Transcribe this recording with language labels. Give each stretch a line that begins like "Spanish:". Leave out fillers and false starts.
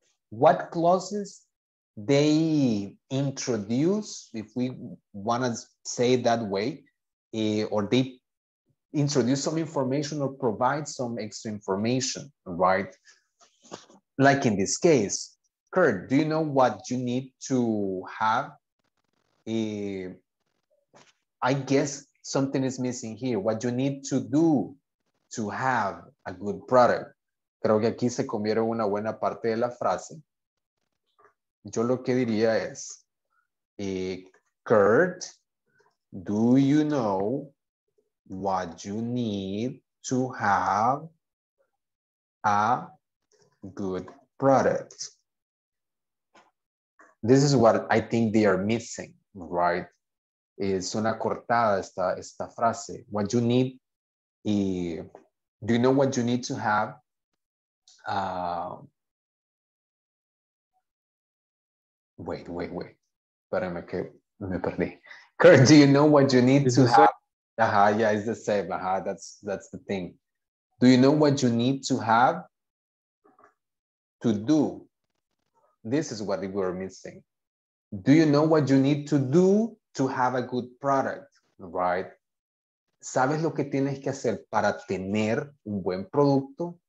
English: What clauses they introduce, if we want to say it that way, or they introduce some information or provide some extra information, right? Like in this case, Kurt, do you know what you need to have? I guess something is missing here. What you need to do to have a good product.
Spanish: Creo que aquí se comieron una buena parte de la frase. Yo lo que diría es,
English: Kurt, do you know what you need to have a good product? This is what I think they are missing, right?
Spanish: Es una cortada esta frase.
English: What you need, do you know what you need to have? Wait.
Spanish: Espérame que me perdí.
English: Kurt, do you know what you need to have? Yeah, it's the same. That's the thing. Do you know what you need to have to do? This is what we're missing. Do you know what you need to do to have a good product, right?
Spanish: ¿Sabes lo que tienes que hacer para tener un buen producto?